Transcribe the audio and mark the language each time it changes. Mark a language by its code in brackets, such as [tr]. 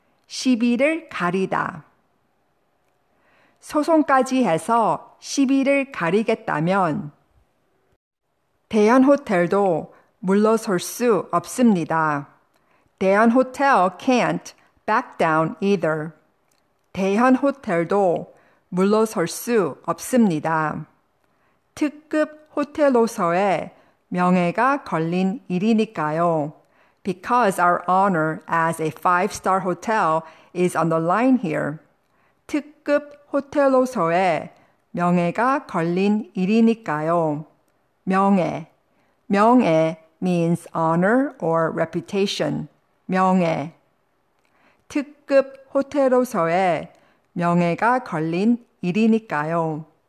[ko] 시비를 가리다 소송까지 해서 시비를 가리겠다면 대현 호텔도 물러설 수 없습니다. [en] 대현 호텔 can't back down either. [ko] 대현 호텔도 물러설 수 없습니다. 특급 호텔로서의 명예가 걸린 일이니까요. [en] Because our honor as a five-star hotel is on the line here. [ko] 특급 호텔로서의 명예가 걸린 일이니까요. [en] 명예 명예 means honor or reputation. 명예. [ko] 특급 호텔로서의 명예가 걸린 일이니까요.